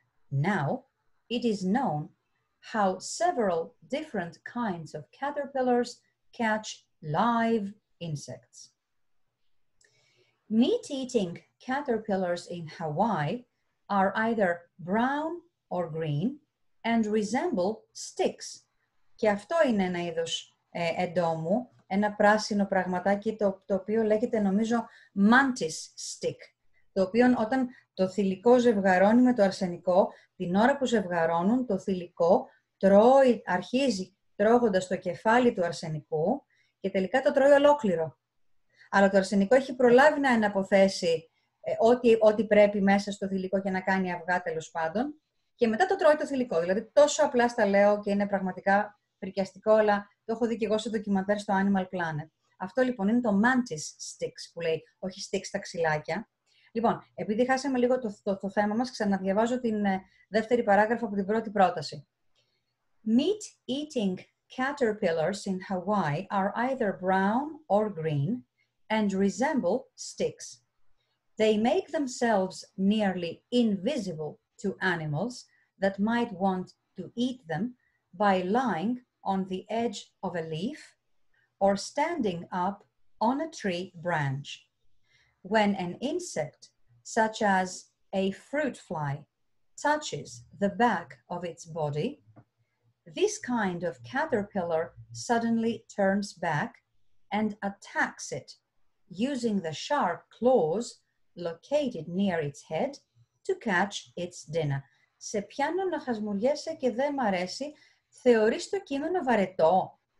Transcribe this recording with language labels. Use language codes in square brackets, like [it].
[en] Now it is known how several different kinds of caterpillars catch live insects. Meat-eating caterpillars in Hawaii are either brown or green and resemble sticks. [el] Και αυτό είναι ένα είδος εντόμου, ένα πράσινο πραγματάκι το οποίο λέγεται, νομίζω, mantis stick, το οποίο όταν το θηλυκό ζευγαρώνει με το αρσενικό, την ώρα που ζευγαρώνουν το θηλυκό, αρχίζει τρώγοντας το κεφάλι του αρσενικού και τελικά το τρώει ολόκληρο. Αλλά το αρσενικό έχει προλάβει να εναποθέσει ό,τι πρέπει μέσα στο θηλυκό για να κάνει αυγά, τέλος πάντων, και μετά το τρώει το θηλυκό. Δηλαδή, τόσο απλά στα λέω και είναι πραγματικά φρικιαστικό, αλλά το έχω δει και εγώ σε ντοκιμαντέρ στο Animal Planet. Αυτό λοιπόν είναι το mantis sticks που λέει, όχι sticks τα ξυλάκια. Λοιπόν, επειδή χάσαμε λίγο το θέμα μας, ξαναδιαβάζω την δεύτερη παράγραφο από την πρώτη πρόταση. [en] Meat-eating caterpillars in Hawaii are either brown or green and resemble sticks. They make themselves nearly invisible to animals that might want to eat them by lying on the edge of a leaf or standing up on a tree branch. When an insect, such as a fruit fly, touches the back of its body, this kind of caterpillar suddenly turns back and attacks it, using the sharp claws located near its head to catch its dinner. [el] Σε πιάνω να χασμουριέσαι και δεν μ' αρέσει. Θεωρείς το κείμενο βαρετό?